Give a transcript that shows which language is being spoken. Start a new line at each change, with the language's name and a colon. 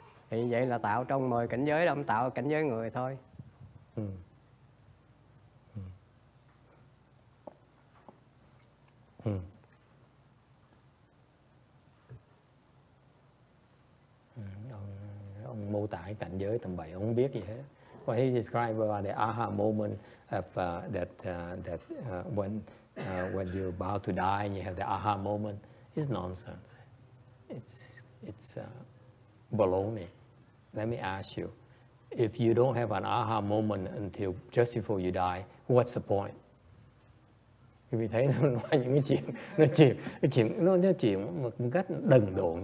Vietnamese: Thì vậy là tạo trong 10 cảnh giới đó, ông tạo cảnh giới người thôi. Ông mô tả cảnh giới tầm bậy, ông biết gì hết.
English: What he described about the aha moment of when you're about to die and you have the aha moment is nonsense. It's baloney. Let me ask you, if you don't have an aha moment until just before you die, what's the point?
Vietnamese: Quý vị thấy nó nói những cái chuyện, nó chuyện một cách đần độn.